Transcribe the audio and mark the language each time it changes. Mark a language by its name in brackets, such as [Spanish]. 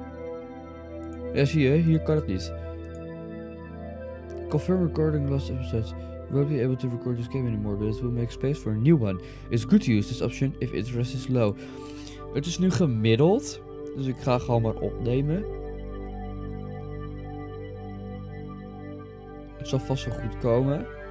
[Dutch] Oh. Ja, zie je, hier kan het niet. [English] Confirm recording last episode. We won't be able to record this game anymore, but it will make space for a new one. It's good to use this option if interest is low. [Dutch] Het is nu gemiddeld, dus ik ga gewoon maar opnemen. Het zal vast wel goed komen.